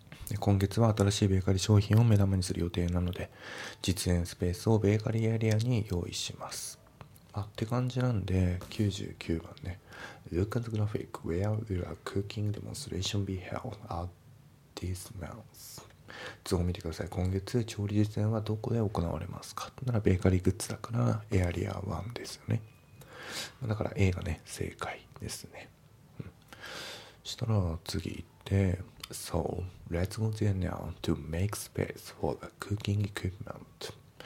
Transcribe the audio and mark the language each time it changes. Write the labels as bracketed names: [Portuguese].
[Japanese] で、今月は新しいベーカリー商品を目玉にする予定なので、実演スペースをベーカリーエリアに用意します。あって感じなんで、99番ね、 [English] Look at the graphic. Where will a cooking demonstration be held at this month? [Japanese] 図を見てください。今月、調理実演はどこで行われますか？なら、ベーカリーグッズだから、エアリア1ですよね。だから、A がね、正解ですね。したら、次行って、 [English] So, let's go there now to make space for the cooking equipment.